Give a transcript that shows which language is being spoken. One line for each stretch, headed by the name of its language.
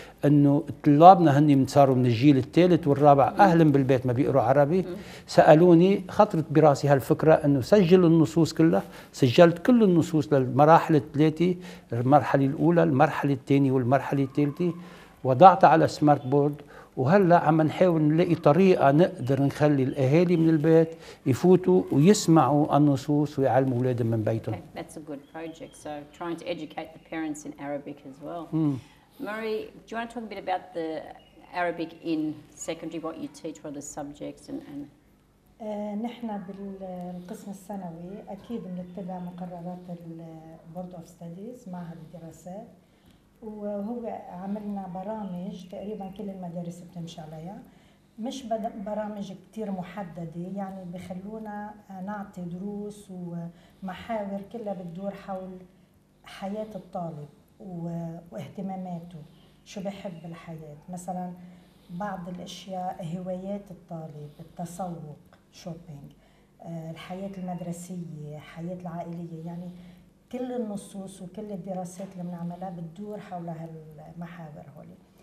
Arabic: أنه طلابنا هني صاروا من الجيل الثالث والرابع أهلا بالبيت ما بيقروا عربي سألوني خطرت براسي هالفكرة أنه سجل النصوص كلها سجلت كل النصوص للمراحل الثلاثة المرحلة الأولى المرحلة الثانية والمرحلة الثالثة وضعتها على سمارت بورد وهلأ عم نحاول نلاقي طريقة نقدر نخلي الأهالي من البيت يفوتوا ويسمعوا النصوص ويعلموا أولادهم من بيتهم.
English: Okay, that's a good project. So trying to educate the parents in Arabic as well. Murray, do you want to talk a bit about the Arabic in secondary, what you teach, what are the subjects and...
Arabic: نحن بالقسم السنوي أكيد بنتبع مقررات البورد أوف ستاديز معهد الدراسات وهو عملنا برامج تقريبا كل المدارس بتمشي عليها مش برامج كتير محددة، يعني بخلونا نعطي دروس ومحاور كلها بتدور حول حياة الطالب واهتماماته، شو بحب بالحياة، مثلا بعض الأشياء، هوايات الطالب، التسوق، شوبينج، الحياة المدرسية، الحياة العائلية، يعني كل النصوص وكل الدراسات اللي بنعملها بتدور حول هالمحاور هولي.